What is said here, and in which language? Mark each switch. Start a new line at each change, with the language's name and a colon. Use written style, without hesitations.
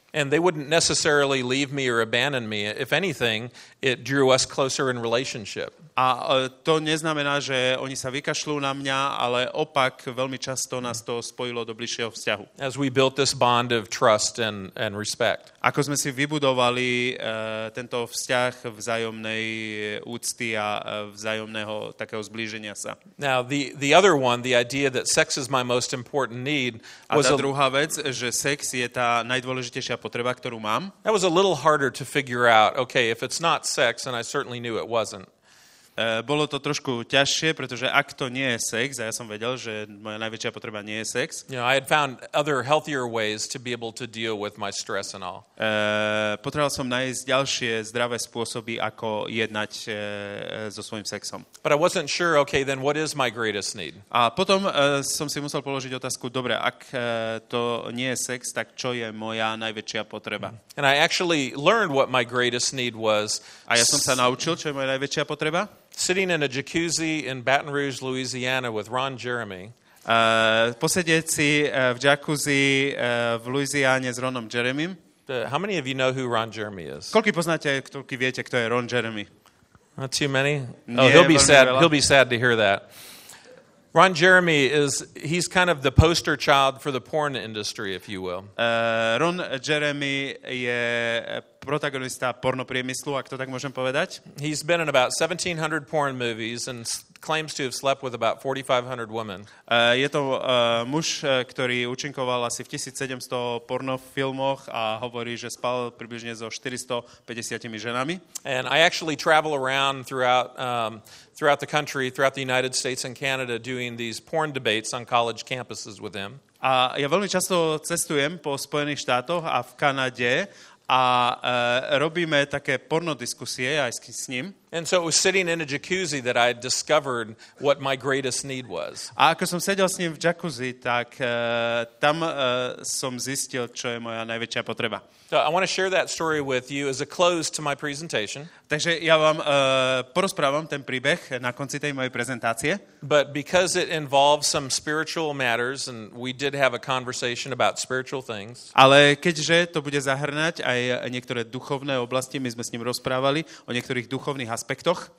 English: And they wouldn't necessarily leave me or abandon me. If anything, it drew us closer in relationship.
Slovak: A to neznamená, že oni sa vykašľú na mňa, ale opak, veľmi často nás to spojilo do bližšieho vzťahu.
English: As we built this bond of trust and respect.
Slovak: Ako sme si vybudovali tento vzťah vzájomnej úcty a vzájomného takého zblíženia sa.
English: Now, the other one, the idea that sex is my most important need,
Slovak: was a druhá vec, že sex je tá najdôležitejšia potreba, ktorú mám.
English: That was a little harder to figure out. Okay, if it's not sex, and I certainly knew it wasn't.
Slovak: Bolo to trošku ťažšie, pretože ak to nie je sex, a ja som vedel, že moja najväčšia potreba nie je sex.
English: You know, I had found other healthier ways to be able to deal with my stress and all.
Slovak: Potreboval som nájsť ďalšie zdravé spôsoby, ako jednať so svojím sexom.
English: But I wasn't sure, okay, then what is my greatest need?
Slovak: A potom som si musel položiť otázku, dobre, ak to nie je sex, tak čo je moja najväčšia potreba?
English: And I actually learned what my greatest need was.
Slovak: A ja som sa naučil, čo je moja najväčšia potreba.
English: Sitting in a jacuzzi in Baton Rouge, Louisiana with Ron Jeremy.
Slovak: Posedieť si v jacuzzi v Louisiane s Ronom Jeremym.
English: How many of you know who Ron Jeremy is?
Slovak: Koľko poznáte, koľko viete, kto je Ron Jeremy?
English: Not too many.
Slovak: Nie,
English: oh, he'll be sad to hear that. Ron Jeremy he's kind of the poster child for the porn industry, if you will.
Slovak: Ron Jeremy je protagonista pornopriemyslu, ak to tak môžem povedať.
English: He's been in about 1700 porn movies and claims to have slept with about 4500 women.
Slovak: Je to muž, ktorý účinkoval asi v 1700 pornofilmoch a hovorí, že spal približne so 450 ženami.
English: And I actually travel around throughout the country, throughout the United States and Canada doing these porn debates on college campuses with him.
Slovak: A ja veľmi často cestujem po Spojených štátoch a v Kanade a robíme také porno diskusie aj s ním.
English: And so it was sitting in a jacuzzi that I discovered what my greatest need was.
Slovak: A ako som sedel s ním v jacuzzi, tak tam som zistil, čo je moja najväčšia potreba.
English: So I want to share that story with you as a close to my presentation.
Slovak: Takže ja vám porozprávam ten príbeh na konci tej mojej prezentácie.
English: But because it involves some spiritual matters and we did have a conversation about spiritual things.
Slovak: Ale keďže to bude zahrnať aj niektoré duchovné oblasti, my sme s ním rozprávali o niektorých duchovných aspektoch.